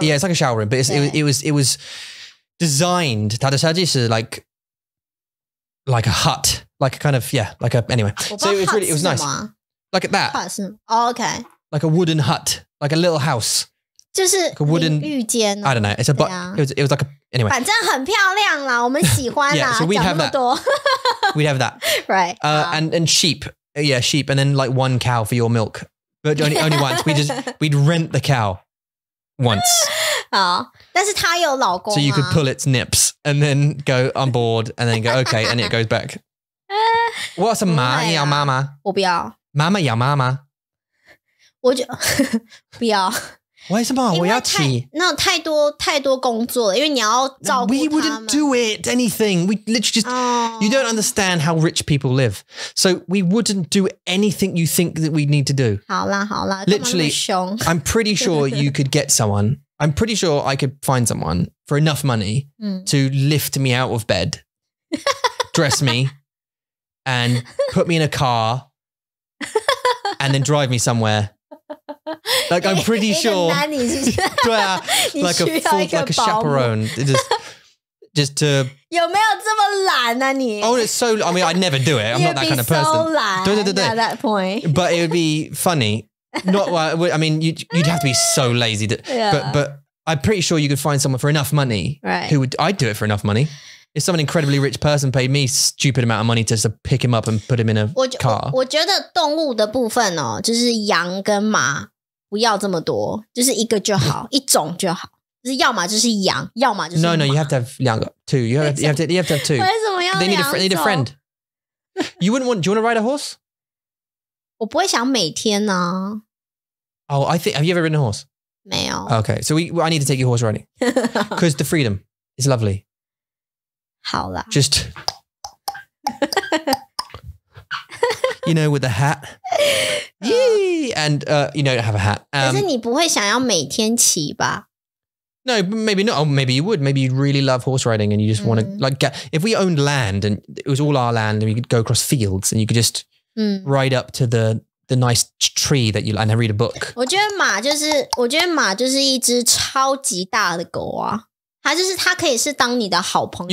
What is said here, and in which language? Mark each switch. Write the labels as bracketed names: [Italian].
[English] Yeah, it's like a shower room, but it was designed, [Chinese] 它的设计是 [English] like a hut, like a kind of, yeah, like a, anyway. So it was really, it was nice. Like at that. Hut, oh, okay. Like a wooden hut, like a little house. [Chinese] 就是淋浴间、 [English] 啊、I don't know. It's a but、啊、it was like a, anyway. [Chinese] 反正很漂亮啦，我们喜欢啦。 [English] Yeah, so we'd have that. We'd have that. Right. And sheep. Yeah, sheep. And then like one cow for your milk. But only once. We'd rent the cow once. [Chinese] 好，但是他有老公吗？ [English] So you could pull its nips and then go on board and then go, okay, and it goes back. What's a [Chinese] 妈？你要妈妈？我不要。妈妈要妈妈？我就不要。 [English] Why is it not? [Chinese] 我要起。那太多太多工作了，因为你要照顾他们。 [English] We wouldn't do it anything. We literally just,、you don't understand how rich people live. So we wouldn't do anything you think that we need to do. [Chinese] 好啦好啦。 [English] Literally, I'm pretty sure you could get someone. I'm pretty sure I could find someone for enough money、to lift me out of bed, dress me, and put me in a car, and then drive me somewhere. Like, I'm pretty sure. [Chinese] 对啊, [English] like, a chaperone. Just to. [Chinese] 有没有这么懒啊你? [English] Oh, it's so. I mean, I'd never do it. I'm not that kind of person. You'd be so懒, [Chinese] 对对对对, [English] at that point. But it would be funny. Not, well, I mean, you'd have to be so lazy. To, yeah. But I'm pretty sure you could find someone for enough money. Right. Who would, I'd do it for enough money. If some incredibly rich person paid me a stupid amount of money just to pick him up and put him in a car. [Chinese] 我觉得动物的部分哦，就是羊跟马。不要这么多，就是一个就好，一种就好。就是要嘛就是羊，要嘛就是 [English] 马。No, you have to have 两个 two. You have to have two. [Chinese] 为什么要两种 [English] They need a friend. You wouldn't want, do you want to ride a horse? [Chinese] 我不会想每天啊。 [English] Oh, I think, have you ever ridden a horse? [Chinese] 没有。 [English] Okay, so I need to take you horse riding. Because the freedom is lovely. [Chinese] 好啦。 [English] Just, you know, with a hat. Yee! And you don't have a hat. [Chinese] 但是你不会想要每天骑吧? [English] No, maybe not. Oh, maybe you would. Maybe you really love horse riding and you just want to, like, get, if we owned land and it was all our land and we could go across fields and you could just ride up to the nice tree that you, and read a book. [Chinese] 我觉得马就是一只超级大的狗啊。它就是它可以是当你的好朋友。